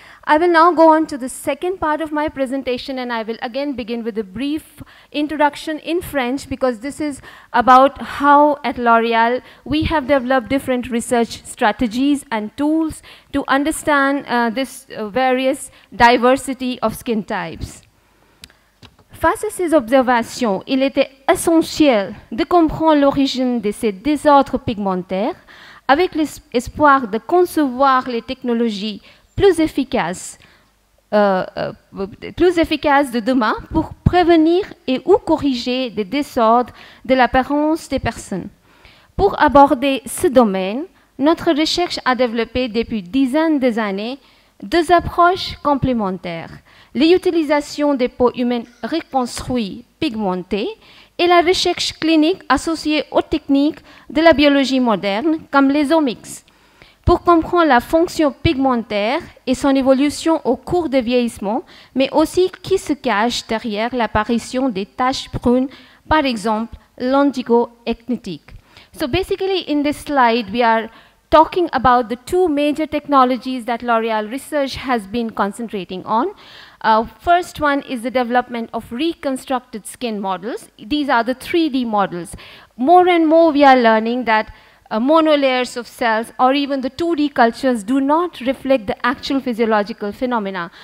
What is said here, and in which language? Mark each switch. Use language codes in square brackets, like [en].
[en] I will now go on to the second part of my presentation, and I will again begin with a brief introduction in French, because this is about how at L'Oréal we have developed different research strategies and tools to understand this various diversity of skin types. [fr] Face à ces observations, il était essentiel de comprendre l'origine de ces désordres pigmentaires avec l'espoir de concevoir les technologies plus efficace de demain pour prévenir et ou corriger des désordres de l'apparence des personnes. Pour aborder ce domaine, notre recherche a développé depuis dizaines d'années deux approches complémentaires, l'utilisation des peaux humaines reconstruites pigmentées et la recherche clinique associée aux techniques de la biologie moderne comme les AIIMS. Pour comprendre la fonction pigmentaire et son évolution au cours du vieillissement, mais aussi qui se cache derrière l'apparition des taches brunes, par exemple l'indigo ethnique. [en] So basically, in this slide, we are talking about the two major technologies that L'Oréal Research has been concentrating on. First one is the development of reconstructed skin models. These are the 3D models. More and more, we are learning that monolayers of cells or even the 2D cultures do not reflect the actual physiological phenomena.